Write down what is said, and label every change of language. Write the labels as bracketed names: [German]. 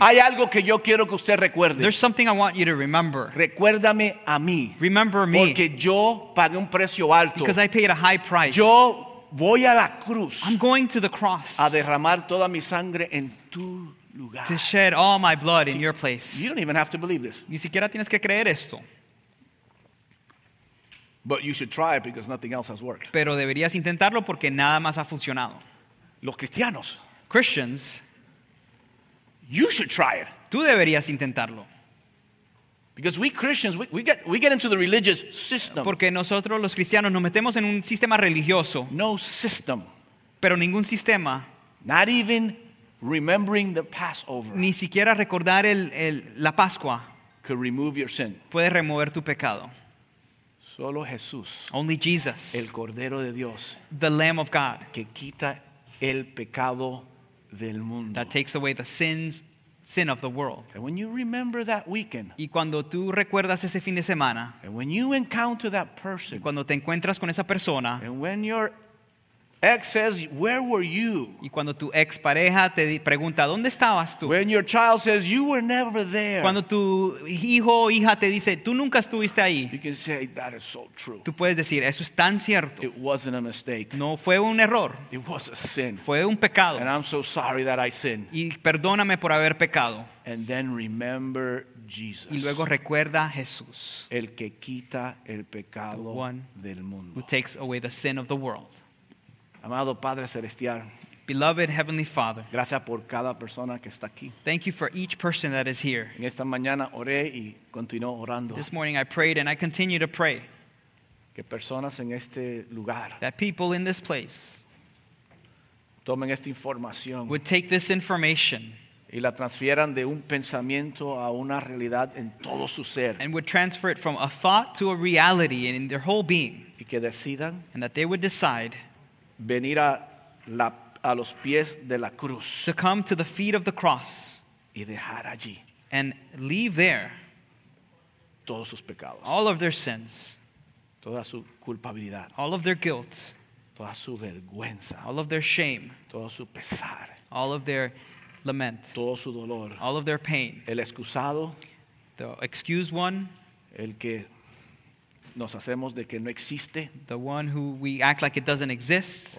[Spanish] hay algo que yo quiero que usted recuerde. [English] There's something I want you to remember. [Spanish] Recuérdame a mí. [English] Remember me. [Spanish] Porque yo pagué un precio alto. [English] Because I paid a high price. [Spanish] Yo voy a la cruz. [English] I'm going to the cross. [Spanish] A derramar toda mi sangre en tu lugar. [English] To shed all my blood in your place. You don't even have to believe this. [Spanish] Ni siquiera tienes que creer esto. [English] But you should try it because nothing else has worked. [Spanish] Pero deberías intentarlo porque nada más ha funcionado. Los cristianos. [English] Christians. You should try it. [Spanish] Tú deberías intentarlo. [English] Because we Christians, we get into the religious system. [Spanish] Porque nosotros los cristianos nos metemos en un sistema religioso. [English] No system. [Spanish] Pero ningún sistema. [English] Not even remembering the Passover. [Spanish] Ni siquiera recordar la Pascua. [English] Could remove your sin. [Spanish] Puede remover tu pecado. Solo Jesús, [English] only Jesus, [Spanish] el Cordero de Dios, [English] the Lamb of God, [Spanish] que quita el pecado del mundo, [English] that takes away the sin of the world. And when you remember that weekend, [Spanish] y cuando tú recuerdas ese fin de semana, [English] and when you encounter that person, [Spanish] y cuando te encuentras con esa persona, [English] and when you're ex says, "Where were you?" [Spanish] Y cuando tu ex pareja te pregunta, "¿Dónde estabas tú?" [English] When your child says, "You were never there." [Spanish] Cuando tu hijo o hija te dice, "Tú nunca estuviste ahí." [English] You can say, "That is so true." [Spanish] Tú puedes decir, "Eso es tan cierto." [English] It wasn't a mistake. [Spanish] No fue un error. [English] It was a sin. [Spanish] Fue un pecado. [English] And I'm so sorry that I sinned. [Spanish] Y perdóname por haber pecado. [English] And then remember Jesus. [Spanish] Y luego recuerda a Jesús. El que quita el pecado del mundo. [English] Who takes away the sin of the world. [Spanish] Amado Padre Celestial, [English] beloved Heavenly Father, [Spanish] gracias por cada persona que está aquí. [English] Thank you for each person that is here. [Spanish] En esta mañana oré y continuo orando. [English] This morning I prayed and I continue to pray. [Spanish] Que personas en este lugar, [English] that people in this place, [Spanish] tomen esta información, [English] would take this information, [Spanish] y la transfieran de un pensamiento a una realidad en todo su ser, [English] and would transfer it from a thought to a reality in their whole being, [Spanish] y que decidan, [English] and that they would decide, [Spanish] venir a los pies de la cruz, [English] to come to the feet of the cross, [Spanish] y dejar allí, [English] and leave there, [Spanish] todos sus pecados, [English] all of their sins, [Spanish] toda su culpabilidad, [English] all of their guilt, [Spanish] toda su vergüenza, [English] all of their shame, [Spanish] todo su pesar, [English] all of their lament, [Spanish] todo su dolor, [English] all of their pain, [Spanish] el excusado, [English] the excused one, [Spanish] el que nos hacemos de que no existe, [English] the one who we act like it doesn't exist,